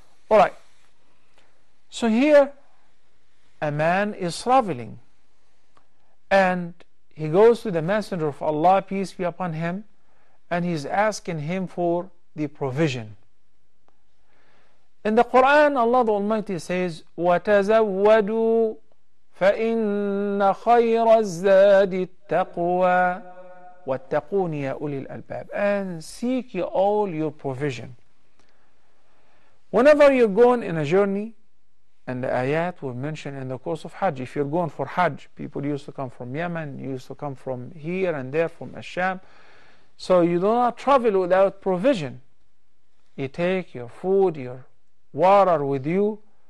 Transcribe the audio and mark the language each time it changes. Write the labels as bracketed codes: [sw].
[en] Alright, so here a man is traveling, and he goes to the Messenger of Allah, peace be upon him, and he's asking him for the provision. In the Quran, Allah the Almighty says, وَتَزَوَّدُوا [ar] فإن خير الزاد التقوى واتقون يا أولي الألباب. [en] And seek all your provision. Whenever you're going in a journey, and the ayat were mentioned in the course of Hajj. If you're going for Hajj, people used to come from Yemen, used to come from here and there, from Asham. So you do not travel without provision. You take your food, your water with you.